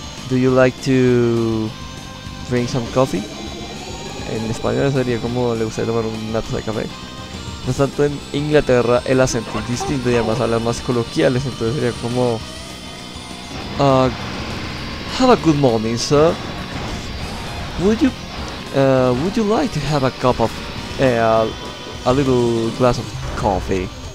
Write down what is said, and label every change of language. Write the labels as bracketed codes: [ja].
[en] Do you like to drink some coffee? [es] En español sería como le gusta tomar una taza de café. No tanto en Inglaterra el acento es distinto y además hablan más coloquiales, entonces sería como [en] have a good morning, sir. Would you like to have a cup of a little glass of coffee?